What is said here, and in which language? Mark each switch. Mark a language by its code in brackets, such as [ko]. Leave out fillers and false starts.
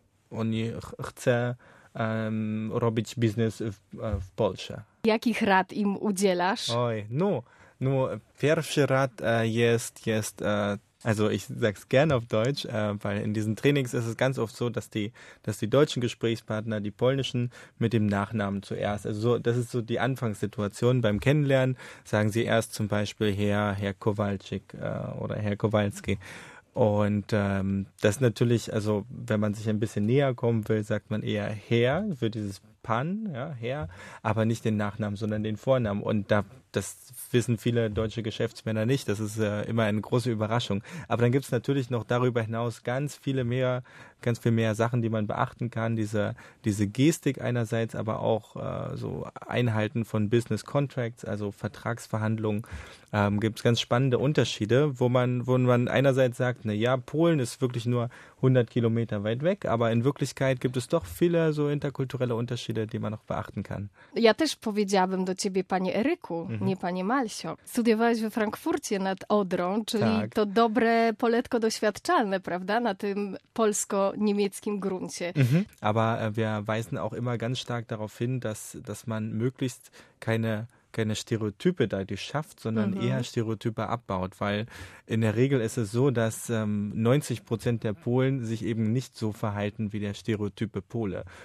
[pl] Oni chcą robić biznes w Polsce. Jakich rad im udzielasz? Oj, pierwszy rad jest [de] also ich sag's gerne auf Deutsch, weil in diesen Trainings ist es ganz oft so, dass die deutschen Gesprächspartner die polnischen mit dem Nachnamen zuerst, also so, das ist so die Anfangssituation beim Kennenlernen, sagen sie erst zum Beispiel Herr Kowalczyk oder Herr Kowalski. Und das natürlich, also wenn man sich ein bisschen näher kommen will, sagt man eher Herr für dieses Pan, ja, Herr, aber nicht den Nachnamen, sondern den Vornamen. Und da, das wissen viele deutsche Geschäftsmänner nicht. Das ist immer eine große Überraschung. Aber dann gibt es natürlich noch darüber hinaus ganz viel mehr Sachen, die man beachten kann. Diese Gestik einerseits, aber auch so Einhalten von Business Contracts, also Vertragsverhandlungen, gibt es ganz spannende Unterschiede, wo man einerseits sagt, na ja, Polen ist wirklich nur 100 Kilometer weit weg, aber in Wirklichkeit gibt es doch viele so interkulturelle Unterschiede, die man noch beachten kann. [pl] Ja, też powiedziałabym do ciebie, panie Eryku, nie panie Malsio. Studiowałeś we Frankfurcie nad Odrą, czyli tak. To dobre poletko doświadczalne, prawda, na tym polsko-niemieckim gruncie. Mhm. [de] Aber wir weisen auch immer ganz stark darauf hin, dass man möglichst keine Stereotype dadurch schafft, sondern eher Stereotype abbaut, weil in der Regel ist es so, dass 90% der Polen sich eben nicht so verhalten wie der Stereotype Pole.